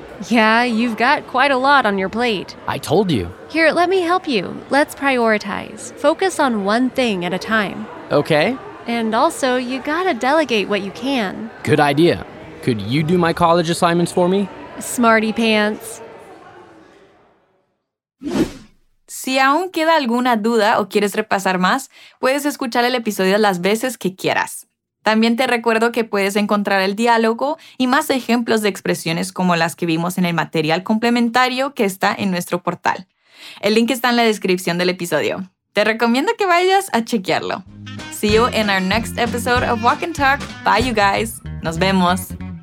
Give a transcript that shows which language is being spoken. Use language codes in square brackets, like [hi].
[en] Yeah, you've got quite a lot on your plate. I told you. Here, let me help you. Let's prioritize. Focus on one thing at a time. Okay. And also, you gotta delegate what you can. Good idea. Could you do my college assignments for me? Smarty pants. [es] Si aún queda alguna duda o quieres repasar más, puedes escuchar el episodio las veces que quieras. También te recuerdo que puedes encontrar el diálogo y más ejemplos de expresiones como las que vimos en el material complementario que está en nuestro portal. El link está en la descripción del episodio. Te recomiendo que vayas a chequearlo. [en] See you in our next episode of Walk and Talk. Bye, you guys. [es] Nos vemos.